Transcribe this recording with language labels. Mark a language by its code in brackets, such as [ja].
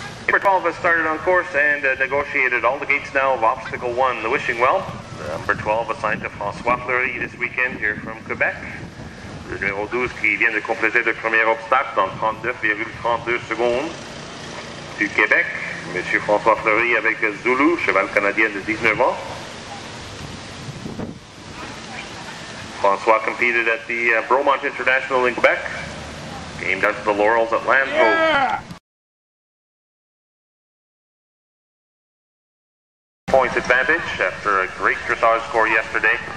[en] Has started on course and negotiated all the gates now of obstacle 1, the wishing well. Number 12 assigned to Francois Fleury this weekend here from Quebec. [fr] Le numéro 12 qui vient de compléter le premier obstacle dans 39,32 secondes. Du Québec, Monsieur Francois Fleury avec Zulu, cheval canadien de 19 ans. [en] Francois competed at the Bromont International in Quebec. Came down to the laurels at Lanzhou. Yeah! Points advantage after a great dressage score yesterday.